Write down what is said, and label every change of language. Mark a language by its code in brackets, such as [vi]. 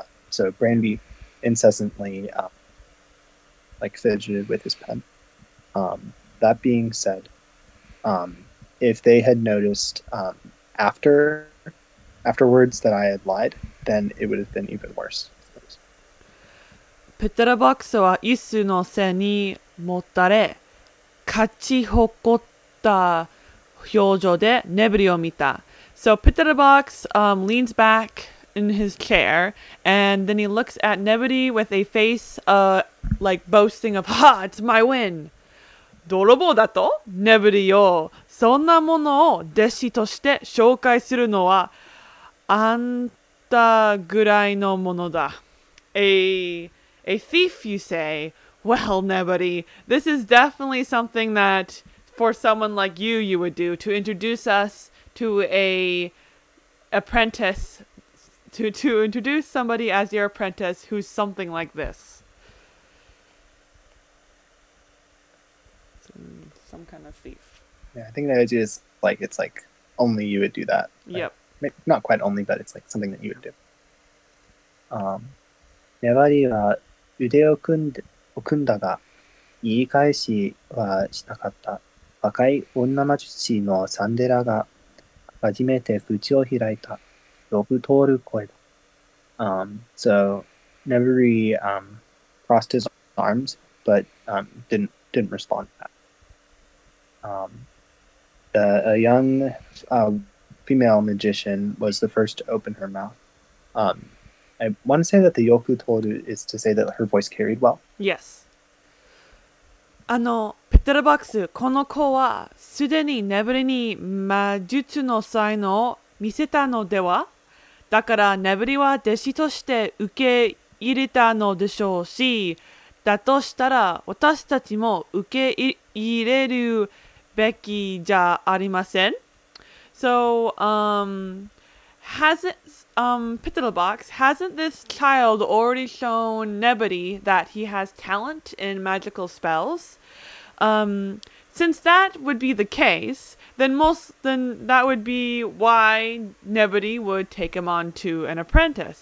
[en] So Brandy incessantly like fidgeted with his pen. That being said, if they had noticed afterwards that I had lied, then it would have been even worse. [ja] ペテラボックスは椅子の背にもたれ、勝ち誇った表情で眠りを見た。 [en] So ペテラボックス leans back in his chair, and then he looks at Nebri with a face like boasting of, ha, it's my win! [ja] 泥棒だと？ネブリよ。そんなものを弟子として紹介するのはあんたぐらいのものだ。 [en] A thief, you say? Well, Nebri, this is definitely something that for someone like you, you would do to introduce us to an apprentice, to introduce somebody as your apprentice who's something like this. Some kind of thief. Yeah, I think the idea is like it's like only you would do that. Yep. Like, not quite only, but it's like something that you would do. [ja] ネバリは腕を組んだが言い返しはしなかった。若い女魔術師のサンデラが初めて口を開いた。呼ぶ通る声だ。 [en] So Neveri crossed his arms, but didn't respond to that. A young female magician was the first to open her mouth. I want to say that the yoku toru is to say that her voice carried well. Yes. [ja] あの、ペテラバックス、この子はすでにネブリに魔術の才能を見せたのでは？だからネブリは弟子として受け入れたのでしょうし、だとしたら私たちも受け入れるべきじゃありません。 [en] So, Pitlebox, hasn't this child already shown Nebri that he has talent in magical spells? Since that would be the case, then that would be why Nebri would take him on to an apprentice.